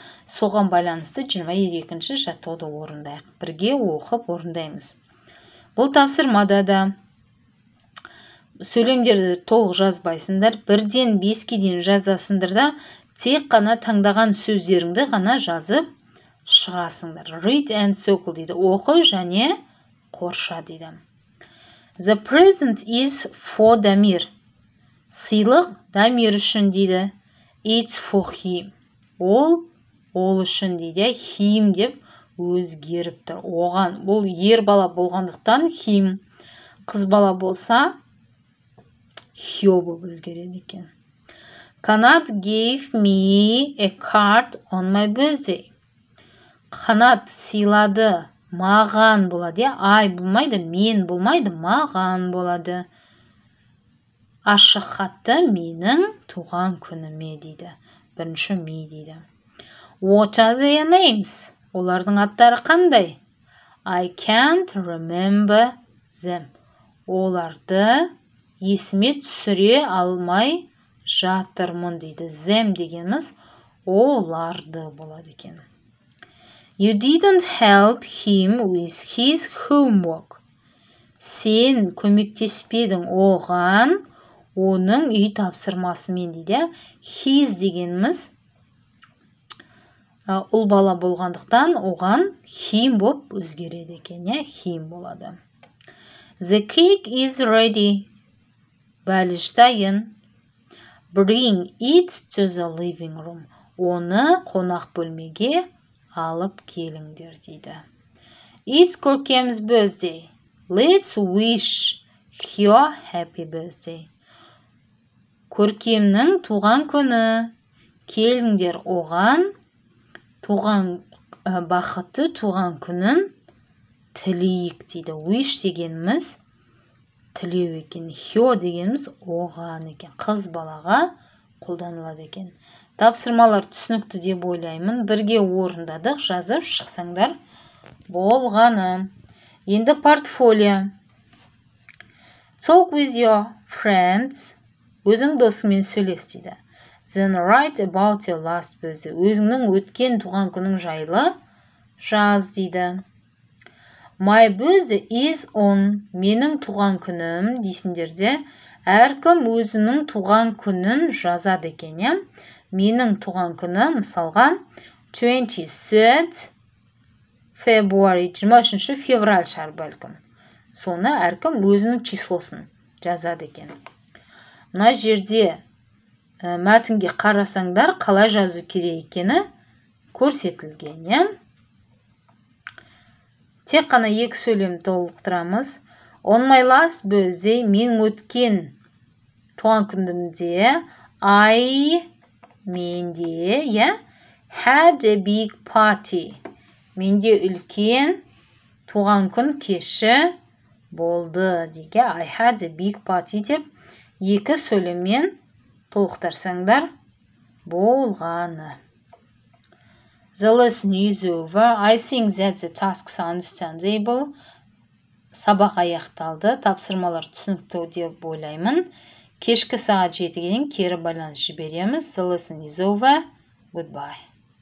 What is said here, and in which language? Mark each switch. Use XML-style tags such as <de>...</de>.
<kk>Соған байланысты 22-ші жаттығуды орындайық. Бірге оқып орындаймыз. Бұл тапсырмада да сөйлемдерді толық жазбайсыңдар, бірден 5-ке дейін жазасыңдар да, тек қана таңдаған сөздеріңді ғана жазып шығасыңдар.</kk> <en>Read and circle</en> <kk>дейді. Оқы және қорша дейді.</kk> <en>The present is for Damir.</en> <kk>Сыйлық Damir үшін дейді.</kk> <en>It's for him.</en> <kk>Ол үшін дейді. Him деп өзгеріп тұр. Оған бұл ер бала болғандықтан him. Қыз бала болса хиобы өзгереді екен.</kk> <en>Канат gave me a card on my birthday.</en> <kk>Канат сыйлады маған болады. Ай болмайды, мен болмайды, маған болады. Ашық хатты менің туған күніме дейді. Бірінші me дейді.</kk> <en>What are their names?</en> <kk>Олардың аттары қандай?</kk> <en>I can't remember them.</en> <kk>Оларды есіме түсіре алмай жатырмын дейді. Зем дегеніміз оларды болады екен.</kk> <en>You didn't help him with his homework.</en> <kk>Сен көмектеспедің оған оның үй тапсырмасымен дейді. His дегеніміз ұл бала болғандықтан оған him боп өзгереді екен, him болады.</kk> <en>The cake is ready.</en> <kk>Бәліш дайын.</kk> <en>Bring it to the living room.</en> <kk>Оны қонақ бөлмеге алып келіңдер дейді.</kk> <en>It's Көркем's birthday. Let's wish her happy birthday.</en> <kk>Көркемнің туған күні. Келіңдер оған туған бақытты туған күнін тілейік дейді. Wish дегеніміз тілеу екен. Her дегеніміз оған екен. Қыз балаға қолданылады екен. Тапсырмалар түсінікті деп ойлаймын. Бірге орындадық, жазып шықсаңдар болғаны. Енді портфолио.</kk> <en>Talk with your friends.</en> <kk>Өзің досыңмен сөйлес дейді.</kk> <en>Then write about your last birthday.</en> <kk>Өзіңнің өткен туған күнің жайлы жаз дейді.</kk> <en>My birthday is on.</en> <kk>Менің туған күнім дейсіндерде. Әркім өзінің туған күнін жазады екен. Менің туған күні мысалға 23 February, 23 февраль шығар бәлкім. Соны әркім өзінің числосын жазады екен. Мына жерде мәтінге қарасаңдар, қалай жазу керек екені көрсетілген. Тек қана екі сөйлемді толықтырамыз.</kk> <en>On my last birthday,</en> <kk>мен өткен туған күнімде</kk> <en>I</en> <kk>менде,</kk> <en>had a big party.</en> <kk>Менде үлкен туған күн кеші болды деген.</kk> <en>I had a big party</en> <kk>деп екі сөйлеммен толықтырсаңдар болғаны.</kk> <en>The lesson is over. I think that the task is understandable.</en> <kk>Сабақ аяқталды. Тапсырмалар түсінікті деп ойлаймын. Кешкі сағат 7-ден кері байланыс жібереміз.</kk> <en>The lesson is over. Goodbye.</en>